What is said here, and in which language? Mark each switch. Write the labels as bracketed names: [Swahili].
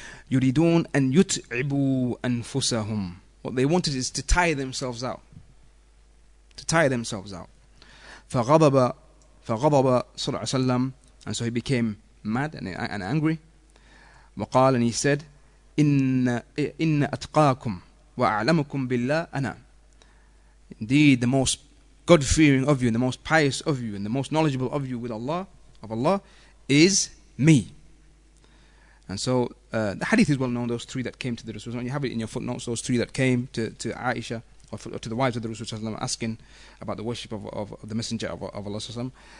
[Arabic] يريدون أن يتعبوا أنفسهم. [English] What they wanted is to tire themselves out. [Arabic] فغضب صلى الله عليه وسلم, [English] and so he became mad and angry. [Arabic] وقال, [English] and he said, [Arabic] إن أتقاكم وأعلمكم بالله أنا. [English] Indeed, the most God-fearing of you, and the most pious of you, and the most knowledgeable of you with Allah, of Allah, is me. And so the hadith is well known, those three that came to the Rasul. You have it in your footnotes, those three that came to Aisha, or to the wives of the Rasul, asking about the worship of the Messenger of Allah.